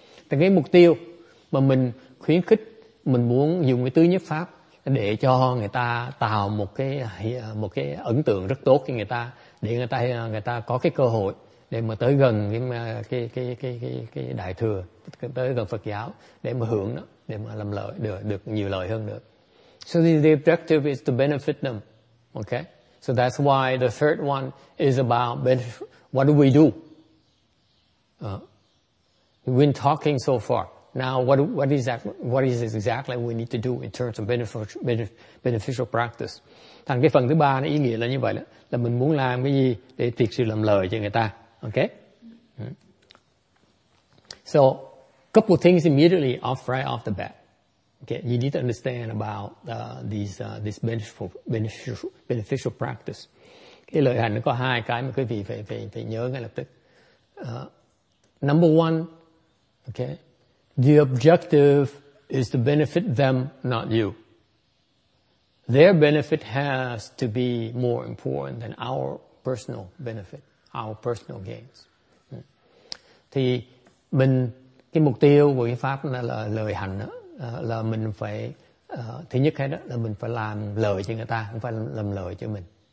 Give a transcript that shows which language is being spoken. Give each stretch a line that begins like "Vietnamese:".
Vietnamese: Thì cái mục tiêu mà mình khuyến khích, mình muốn dùng cái tư nhiếp pháp để cho người ta tạo một cái ấn tượng rất tốt cho người ta, để người ta có cái cơ hội để mà tới gần cái đại thừa, tới gần Phật giáo để mà hưởng đó, để mà làm lợi được nhiều lợi hơn được.
English: So the objective is to benefit them, okay? So that's why the third one is about what do we do? We've been talking so far. Now what is exactly we need to do in terms of beneficial practice?
Vietnamese: Thằng cái phần thứ ba nó ý nghĩa là như vậy đó, là mình muốn làm cái gì để thiệt sự làm lợi cho người ta, okay?
English: So a couple of things immediately off right off the bat. Okay, you need to understand about this beneficial practice.
Vietnamese: Cái lợi hành nó có hai cái mà quý vị phải nhớ ngay lập tức.
English: Number one, okay, the objective is to benefit them, not you. Their benefit has to be more important than our personal benefit, our personal gains.
Vietnamese: Thì mình cái mục tiêu của cái pháp là lợi hành đó. Là mình phải thứ nhất hết đó là mình phải làm lợi cho người ta, không phải làm lợi cho mình.